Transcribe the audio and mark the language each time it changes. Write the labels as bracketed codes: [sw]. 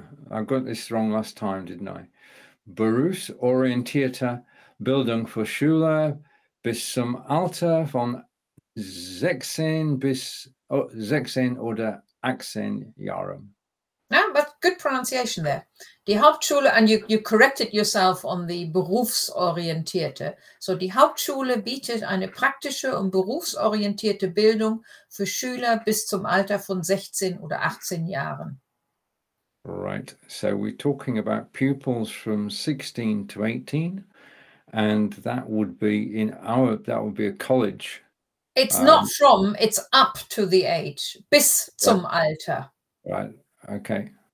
[en] I got this wrong last time, didn't I? [de] Berufsorientierte Bildung für Schüler bis zum Alter von 16 oder 18 Jahren. [en] Yeah, but good pronunciation there. Die Hauptschule, and you corrected yourself on the berufsorientierte. [de] So die Hauptschule bietet eine praktische und berufsorientierte Bildung für Schüler bis zum Alter von 16 oder 18 Jahren. [en] Right, so we're talking about pupils from 16 to 18, and that would be a college. It's not from, it's up to the age, [de] bis zum Alter. [en] Right, okay.